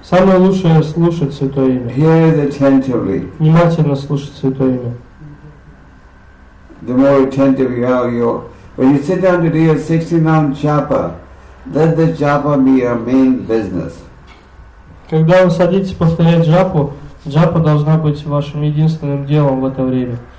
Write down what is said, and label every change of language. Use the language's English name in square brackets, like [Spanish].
[Russian] Самое лучшее слушать святое имя. [English] Hear it attentively. [Russian] Внимательно слушать святое имя. [English] The more attentive you are, when you sit down to do your 69 japa, let the japa be your main business. [Russian] Когда вы садитесь повторять джапу, джапа должна быть вашим единственным делом в это время.